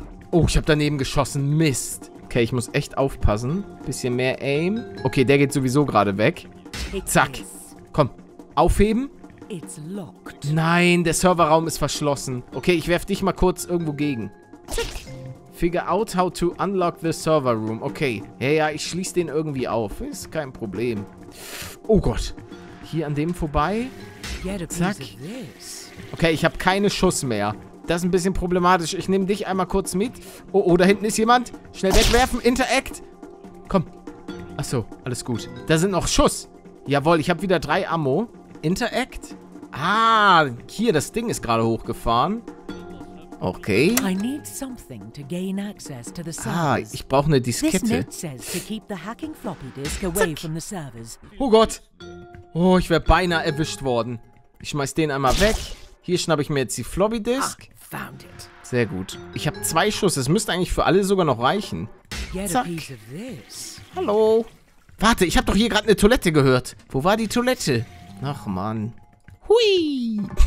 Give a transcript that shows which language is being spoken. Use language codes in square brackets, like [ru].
[de] Oh, ich habe daneben geschossen. Mist. Okay, ich muss echt aufpassen. Bisschen mehr Aim. Okay, der geht sowieso gerade weg. Zack. Komm, aufheben. [en] It's locked. [de] Nein, der Serverraum ist verschlossen. Okay, ich werf dich mal kurz irgendwo gegen. Zack. [en] Figure out how to unlock the server room. [de] Okay, ja, ich schließe den irgendwie auf. Ist kein Problem. Oh Gott. Hier an dem vorbei. Zack. Okay, ich habe keine Schuss mehr. Das ist ein bisschen problematisch. Ich nehme dich einmal kurz mit. Oh, da hinten ist jemand. Schnell wegwerfen. Interact. Komm. Achso, alles gut. Da sind noch Schuss. Jawohl, ich habe wieder 3 Ammo. Interact. Ah, hier, das Ding ist gerade hochgefahren. Okay. [en] I need something to gain access to the servers. Ah, ich brauche eine Diskette. This note says to keep the hacking floppy disk away from the servers. [de] Oh Gott. Oh, ich wäre beinahe erwischt worden. Ich schmeiß den einmal weg. Hier schnappe ich mir jetzt die Floppy Disk. [en] Found it. [de] Sehr gut. Ich habe 2 Schuss. Das müsste eigentlich für alle sogar noch reichen. Zack. Hallo. Warte, ich habe doch hier gerade eine Toilette gehört. Wo war die Toilette? Ach, Mann. Hui.